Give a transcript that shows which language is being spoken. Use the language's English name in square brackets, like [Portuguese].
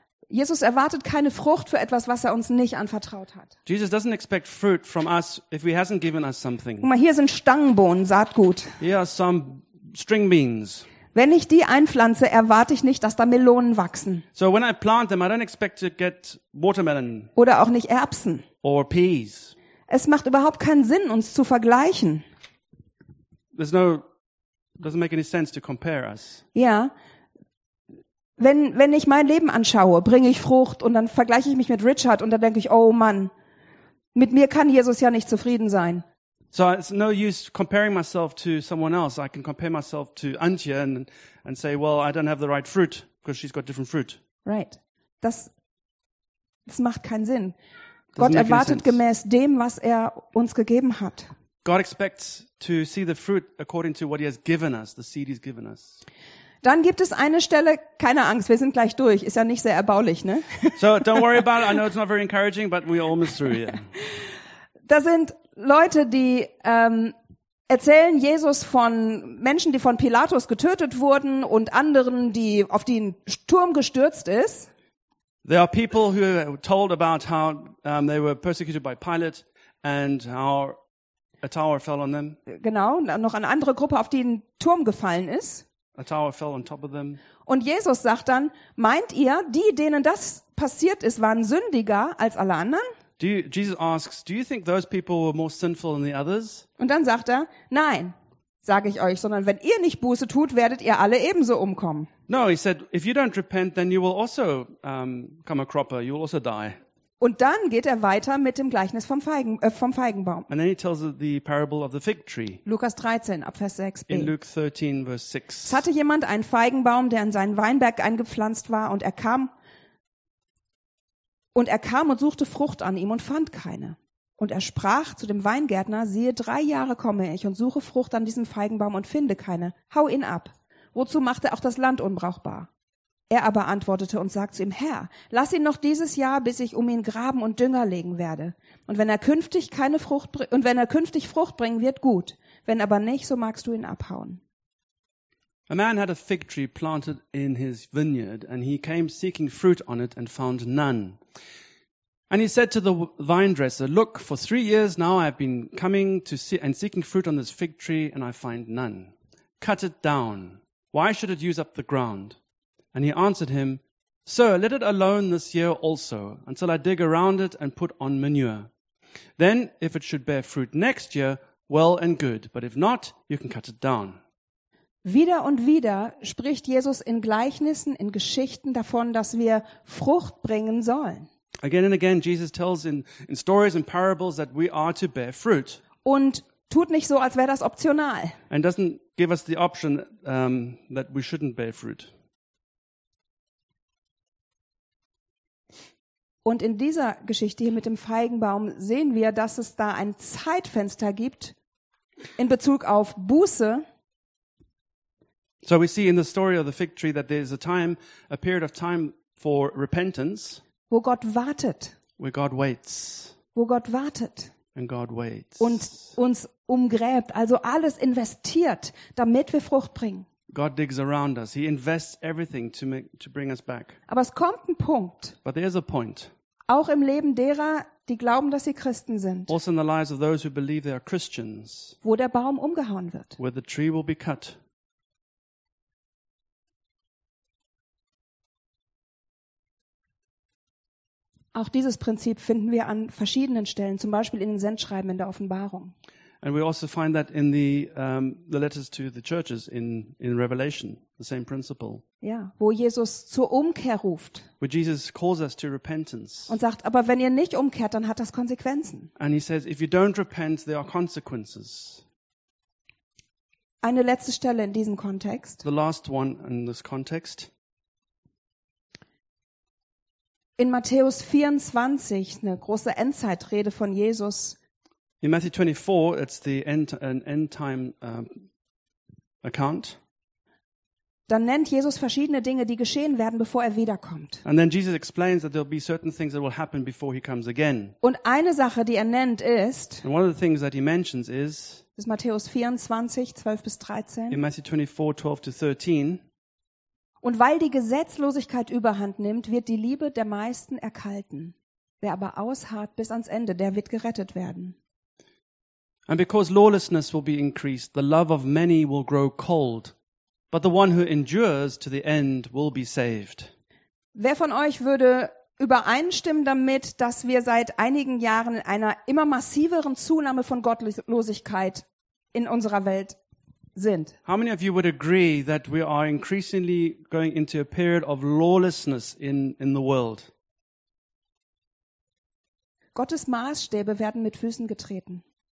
[German] Jesus erwartet keine Frucht für etwas, was er uns nicht anvertraut hat. [English] Jesus doesn't expect fruit from us if he hasn't given us something. [German] Guck mal, hier sind Stangenbohnen, Saatgut. [English] Here are some string beans. [German] Wenn ich die einpflanze, erwarte ich nicht, dass da Melonen wachsen. [English] So when I plant them, I don't expect to get watermelon. [German] Oder auch nicht Erbsen. [English] Or peas. [German] Es macht überhaupt keinen Sinn, uns zu vergleichen. [English] There's no, doesn't make any sense to compare us. [German] Ja. Wenn ich mein Leben anschaue, bringe ich Frucht und dann vergleiche ich mich mit Richard und dann denke ich, oh Mann, mit mir kann Jesus ja nicht zufrieden sein. [English] So it's no use comparing myself to someone else. I can compare myself to Antje and say, well, I don't have the right fruit because she's got different fruit. Right. [German] Das macht keinen Sinn. Gott erwartet gemäß dem, was er uns gegeben hat. [English] God expects to see the fruit according to what he has given us, the seed he's given us. [German] Dann gibt es eine Stelle, keine Angst, wir sind gleich durch. Ist ja nicht sehr erbaulich, ne? [English] So don't worry about it. I know it's not very encouraging, but we're almost through here. [German] Da sind Leute, die erzählen Jesus von Menschen, die von Pilatus getötet wurden und anderen, die auf den Turm gestürzt ist. [English] There are people who told about how they were persecuted by Pilate and how a tower fell on them. [German] Genau, noch eine andere Gruppe, auf die ein Turm gefallen ist. [English] A tower fell on top of them. [German] Und Jesus sagt dann, meint ihr, die, denen das passiert ist, waren sündiger als alle anderen? [English] Jesus asks, do you think those people were more sinful than the others? [German] Und dann sagt er, nein, sage ich euch, sondern wenn ihr nicht Buße tut, werdet ihr alle ebenso umkommen. [English] No, he said, if you don't repent, then you will also come a cropper, you will also die. [German] Und dann geht er weiter mit dem Gleichnis vom Feigenbaum. [English] And then he tells the parable of the fig tree. [German] Lukas 13, ab Vers 6b. [English] In Luke 13, verse 6. [German] Es hatte jemand einen Feigenbaum, der in seinen Weinberg eingepflanzt war, und er kam und suchte Frucht an ihm und fand keine. Und er sprach zu dem Weingärtner, siehe, 3 Jahre komme ich und suche Frucht an diesem Feigenbaum und finde keine. Hau ihn ab. Wozu macht er auch das Land unbrauchbar? Er aber antwortete und sagt zu ihm, Herr, lass ihn noch dieses Jahr, bis ich um ihn graben und Dünger legen werde. Und wenn er künftig Frucht bringen wird, gut. Wenn aber nicht, so magst du ihn abhauen. [English] A man had a fig tree planted in his vineyard, and he came seeking fruit on it and found none. And he said to the vine dresser, look, for 3 years now I have been coming to see and seeking fruit on this fig tree, and I find none. Cut it down. Why should it use up the ground? And he answered him, Sir, let it alone this year also, until I dig around it and put on manure. Then, if it should bear fruit next year, well and good, but if not, you can cut it down. [German] Wieder und wieder spricht Jesus in Gleichnissen, in Geschichten davon, dass wir Frucht bringen sollen. [English] Again and again, Jesus tells in stories and parables that we are to bear fruit. [German] Und tut nicht so, als wäre das optional. [English] And doesn't give us the option that we shouldn't bear fruit. [German] Und in dieser Geschichte hier mit dem Feigenbaum sehen wir, dass es da ein Zeitfenster gibt in Bezug auf Buße. [English] So we see in the story of the fig tree that there is a time, a period of time for repentance. [German] Wo Gott wartet. [English] Where God waits. [German] Wo Gott wartet. [English] And God waits. [German] Und uns umgräbt, also alles investiert, damit wir Frucht bringen. [English] God digs around us. He invests everything to bring us back. [German] Aber es kommt ein Punkt. [English] But there is a point. [German] Auch im Leben derer, die glauben, dass sie Christen sind. [English] Also in the lives of those who believe they are Christians. [German] Wo der Baum umgehauen wird. [English] Where the tree will be cut. [German] Auch dieses Prinzip finden wir an verschiedenen Stellen, zum Beispiel in den Sendschreiben in der Offenbarung. [English] And we also find that in the letters to the churches in Revelation, the same principle. [German] Ja, wo Jesus zur Umkehr ruft. [English] Where Jesus calls us to repentance. [German] Und sagt, aber wenn ihr nicht umkehrt, dann hat das Konsequenzen. [English] And he says, if you don't repent, there are consequences. [German] Eine letzte Stelle in diesem Kontext. [English] The last one in this context. [German] In Matthäus 24, eine große Endzeitrede von Jesus. [English] In Matthew 24, it's the end time account. [German] Dann nennt Jesus verschiedene Dinge, die geschehen werden, bevor er wiederkommt. [English] And then Jesus explains that there'll be certain things that will happen before he comes again. [German] Und eine Sache, die er nennt, ist. [English] And one of the things that he mentions is. [German] Ist Matthäus 24, 12 bis 13. [English] In Matthew 24, 12 to 13. [German] Und weil die Gesetzlosigkeit Überhand nimmt, wird die Liebe der meisten erkalten. Wer aber ausharrt bis ans Ende, der wird gerettet werden. [English] And because lawlessness will be increased, the love of many will grow cold. But the one who endures to the end will be saved. [German] Wer von euch würde übereinstimmen damit, dass wir seit einigen Jahren in einer immer massiveren Zunahme von Gottlosigkeit in unserer Welt sind? [English] How many of you would agree that we are increasingly going into a period of lawlessness in the world? [German] Gottes Maßstäbe werden mit Füßen getreten.